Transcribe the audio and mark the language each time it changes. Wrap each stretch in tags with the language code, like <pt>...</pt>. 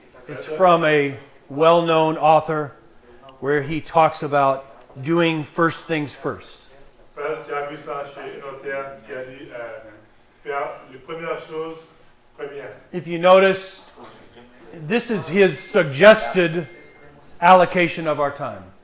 <en>It's from a well-known author where he talks about doing first things first.</en> <fr>Bref, tu as vu ça chez Notaire qui a dit faire les premières choses premières.</fr> <en>If you notice, this is his suggested allocation of our time.</en>